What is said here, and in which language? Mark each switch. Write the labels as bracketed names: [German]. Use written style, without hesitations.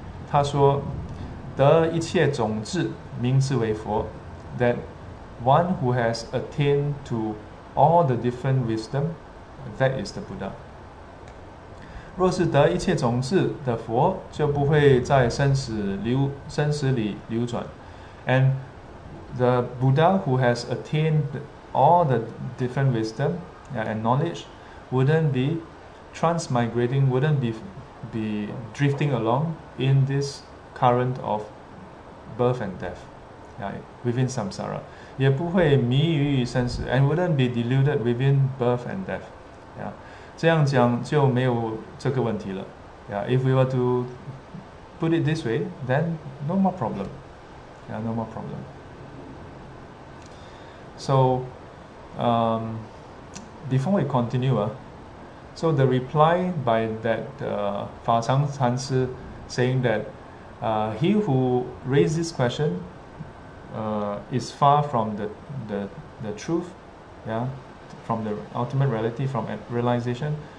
[Chinese] 他说得一切种智名智为佛, [English] that one who has attained to all the different wisdom, that is the Buddha. [Chinese] 若是得一切种智的佛，就不会在生死里流转。 [English] And the Buddha who has attained all the different wisdom and knowledge wouldn't be transmigrating, wouldn't be drifting along in this current of birth and death, yeah, within samsara. [Chinese] 也不会迷于生死, [English] and wouldn't be deluded within birth and death. Yeah. [Chinese] 这样讲就没有这个问题了。 [English] Yeah. If we were to put it this way, then no more problem. Yeah, no more problem. So, before we continue, so the reply by that Fa Chang Chan Si saying that he who raised this question is far from the truth, yeah, from the ultimate reality, from realization.